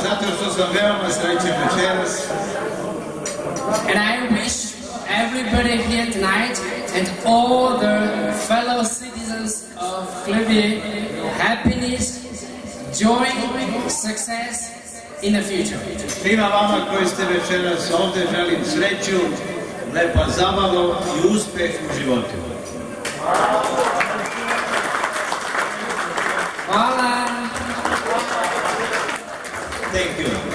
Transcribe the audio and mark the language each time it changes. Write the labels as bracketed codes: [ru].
[sr] Zato što sam veoma srećan večeras. [en] And I wish everybody here tonight and all the fellow citizens of Kriveljski happiness, joy, success in the future. [sr] Svima vama koji ste večeras ovde želim sreću, lepa zabava i uspeh u životu. Hvala! [en] Thank you.